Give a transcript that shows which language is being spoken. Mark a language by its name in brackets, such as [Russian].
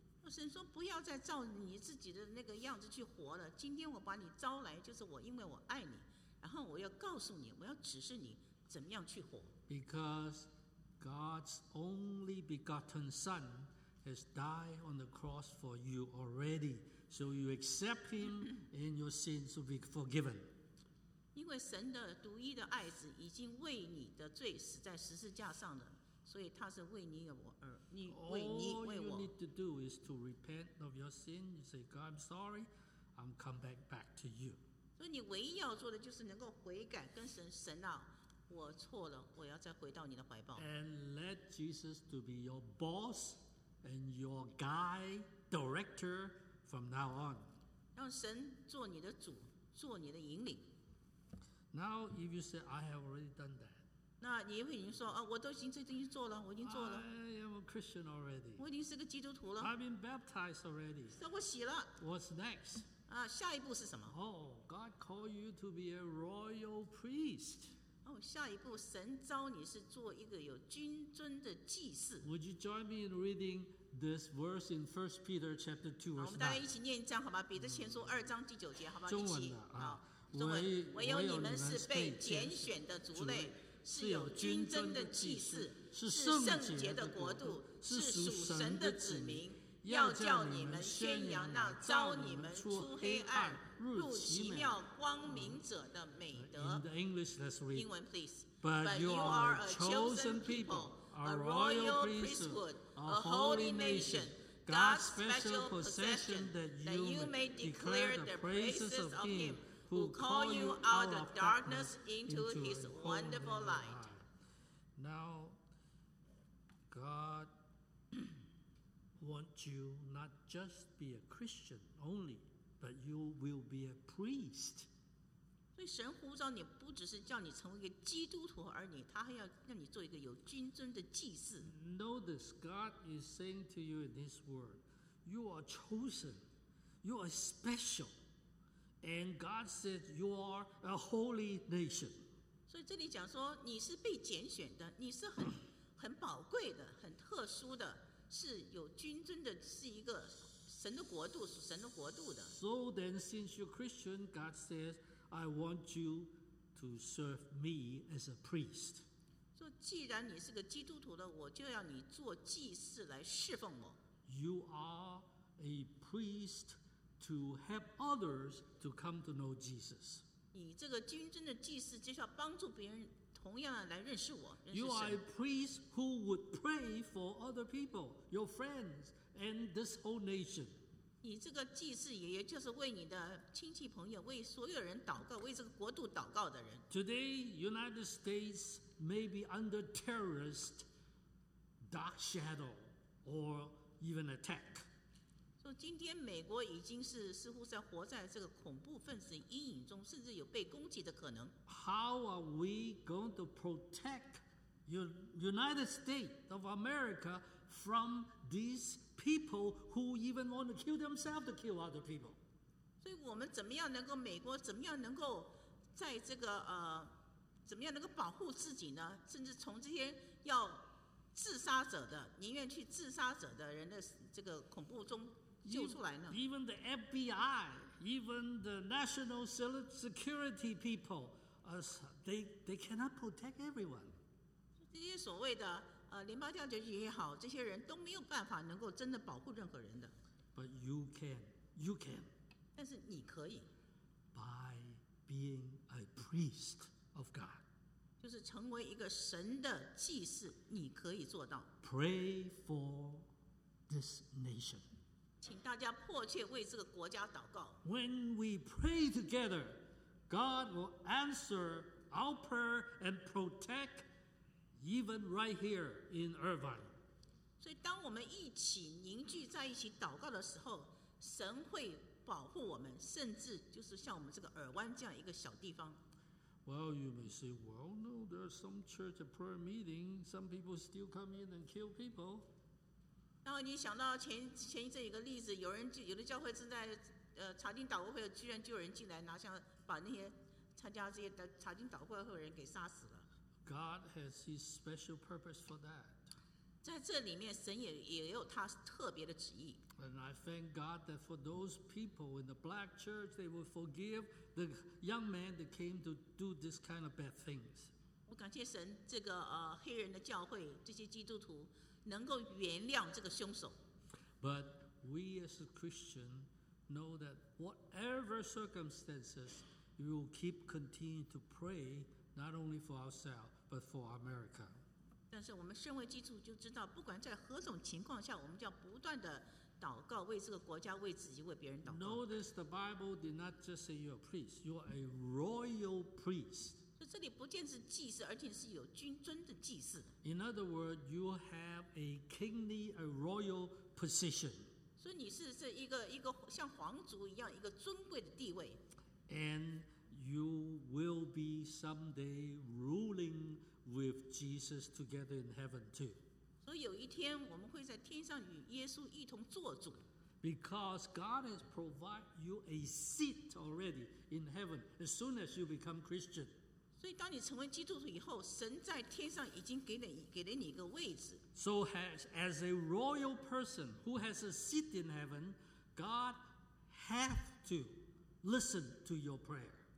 [Chinese] 神说不要再照你自己的那个样子去活了，今天我把你招来，就是我因为我爱你，然后我要告诉你，我要指示你怎么样去活。 [English] Because God's only begotten Son has died on the cross for you already, so you accept Him and your sins will be forgiven. [Chinese] 因为神的独一的爱子已经为你的罪死在十字架上了，所以他是为你而 [English] All you need to do is to repent of your sin. You say, God, I'm sorry. I'm come back to you. [Chinese] 所以你唯一要做的就是能够悔改，跟神，神啊，我错了，我要再回到你的怀抱。 [English] And let Jesus to be your boss and your guide, director from now on. [Chinese] 让神做你的主，做你的引领。 [English] Now, if you say, I have already done that. [Chinese] 那你会已经说、啊、我都已经这东西做了，我已经做了。 [English] I am a Christian already. [Chinese] 我已经是个基督徒了。 [English] I've been baptized already. [Chinese] 受过洗了。 [English] What's next? [Chinese] 啊，下一步是什么 [English] ？Oh, God called you to be a royal priest. [Chinese] 哦，下一步神召你是做一个有君尊的祭司。 [English] Would you join me in reading this verse in 1 Peter chapter 2 verse 9？ [Chinese] 我们大家一起念一章好吗？彼得前书二章第九节，好吗？中文的啊。中文，唯有你们是被拣选的族类。是有君尊的祭祀，是圣洁的国度，是属神的子民，要叫你们宣扬那召你们出黑暗入奇妙光明者的美德。 [English] In the English, let's read. [Chinese] 英文 [English] please. But you are a chosen people, a royal priesthood, a holy nation, God's special possession, that you may declare the praises of Him. Who call you out of darkness into His wonderful light. Now, God wants you not just be a Christian only, but you will be a priest. [Chinese] 所以神呼召你不只是叫你成为一个基督徒而已，他还要让你做一个有君尊的祭司。 [English] Notice, God is saying to you in His word, you are chosen, you are special. And God said, "You are a holy nation." So, [Chinese] 这里讲说你是被拣选的，你是很宝贵的，很特殊的，是有君尊的，是一个神的国度，属神的国度的。 [English] So then, since you're Christian, God says, "I want you to serve me as a priest." So, [Chinese] 既然你是个基督徒的，我就要你做祭司来侍奉我。 [English] You are a priest. To help others to come to know Jesus. [Chinese] 你这个君尊的祭司就是要帮助别人，同样来认识我，认识神。 [English] You are a priest who would pray for other people, your friends, and this whole nation. [Chinese] 你这个祭司也就是为你的亲戚朋友，为所有人祷告，为这个国度祷告的人。 [English] Today, United States may be under terrorist dark shadow or even attack. [Chinese] 今天美国已经是似乎在活在这个恐怖分子阴影中，甚至有被攻击的可能。 [English] How are we going to protect the United States of America from these people who even want to kill themselves to kill other people? [Chinese] 所以我们怎么样能够美国怎么样能够在这个怎么样能够保护自己呢？甚至从这些要自杀者的，宁愿去自杀者的人的这个恐怖中救出来呢？ [English] Even the FBI, even the national security people, they cannot protect everyone. [Chinese] 这些所谓的联邦调查局也好，这些人都没有办法能够真的保护任何人的。 [English] But you can, you can. [Chinese] 但是你可以。 [English] By being a priest of God. [Chinese] 就是成为一个神的祭司，你可以做到。 [English] Pray for this nation. [Chinese] 请大家迫切为这个国家祷告。 [English] When we pray together, God will answer our prayer and protect even right here in Irvine. [Chinese] 所以当我们一起凝聚在一起祷告的时候，神会保护我们，甚至就是像我们这个尔湾这样一个小地方。 [English] Well, you may say, well, no, there's some church prayer meeting. Some people still come in and kill people. [Chinese] 然后你想到前一阵一个例子，有的教会正在查经祷告会，居然就有人进来拿枪，把那些参加这些查经祷告会的人给杀死了。 [English] God has His special purpose for that. [Chinese] 在这里面，神也有他特别的旨意。 [English] And I thank God that for those people in the black church, they will forgive the young man that came to do this kind of bad things. [Chinese] 我感谢神，这个黑人的教会这些基督徒能够原谅这个凶手。 [English] But we as a Christian know that whatever circumstances, we will keep continuing to pray not only for ourselves but for America. [Chinese] 但是我们身为基督徒就知道，不管在何种情况下，我们就要不断的。祷告，为这个国家，为自己，为别人祷告。 [English] Notice the Bible did not just say you're a priest, you are a royal priest. [Chinese] 就这里不仅是祭司，而且是有君尊的祭司。 [English] In other words, you have a kingly, a royal position. [Chinese] 所以你是这一个像皇族一样一个尊贵的地位。 [English] And you will be someday ruling with Jesus together in heaven too. [Chinese] 所以有一天我们会在天上与耶稣一同做主。 [English] Because God has provided you a seat already in heaven as soon as you become Christian. [Chinese] 所以当你成为基督徒以后，神在天上已经给了你一个位置。 [English] So as a royal person who has a seat in heaven, God has to listen to your prayer.